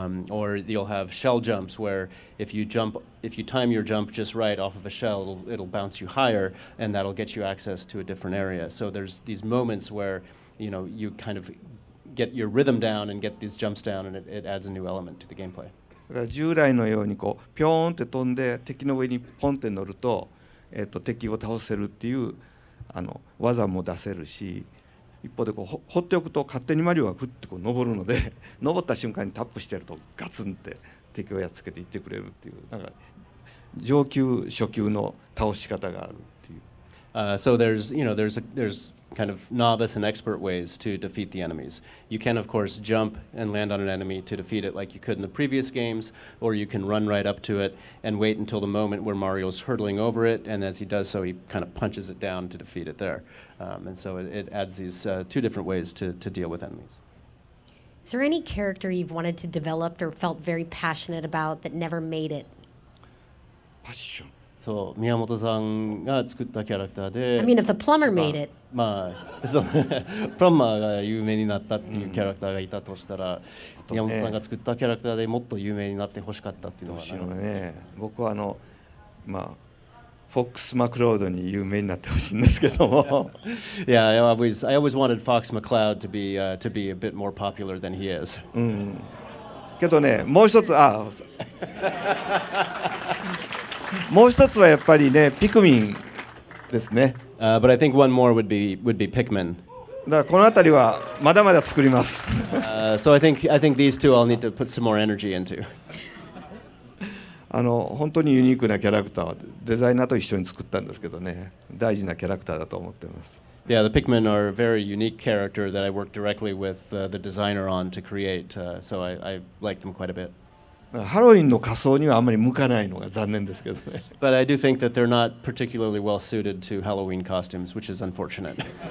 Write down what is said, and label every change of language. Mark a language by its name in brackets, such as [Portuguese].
[English] Or you'll have shell jumps where if you time your jump just right off of a shell, it'll bounce you higher, and that'll get you access to a different area. So there's these moments where you know, you kind of get your rhythm down and get these jumps down, and it adds a new element to the gameplay. [Japanese] だから従来のようにこうピョーンって飛んで敵の上にポンって乗ると、敵を倒せるっていうあの技も出せるし、一方でこう放っておくと勝手にマリオがふってこう登るので、登った瞬間にタップしてるとガツンって敵をやっつけていってくれるっていう、なんか上級初級の倒し方があるっていう。 [English] So there's, you know, there's kind of novice and expert ways to defeat the enemies. You can, of course, jump and land on an enemy to defeat it like you could in the previous games, or you can run right up to it and wait until the moment where Mario's hurtling over it, and as he does so, he kind of punches it down to defeat it there. And so it adds these two different ways to deal with enemies. Is there any character you've wanted to develop or felt very passionate about that never made it? Passion. [Japanese] そう、宮本さんが作ったキャラクターで、 [English] I mean, if the plumber made it. [Japanese] まあ、そう、プラマーが有名になったっていうキャラクターがいたとしたら、うん、宮本さんが作ったキャラクターでもっと有名になってほしかったっていうのはどうしようね。僕はあの、まあ、フォックス・マクロードに有名になってほしいんですけども。 [English] Yeah, I always wanted Fox McCloud to be a bit more popular than he is. [Japanese] うん。けどね、もう一つ、あ、もう一つはやっぱりね、ピクミンですね。 [English] But I think one more would be Pikmin. [Japanese] だからこのあたりはまだまだ作ります。 [English] So I think these two I'll need to put some more energy into. [Japanese] あの本当にユニークなキャラクターはデザイナーと一緒に作ったんですけどね、大事なキャラクターだと思ってます。 [English] Yeah, the Pikmin are a very unique character that I worked directly with the designer on to create. So I like them quite a bit. [Japanese] ハロウィンの仮装にはあんまり向かないのが残念ですけどね。 [English] But I do think that they're not particularly well suited to Halloween costumes, which is unfortunate.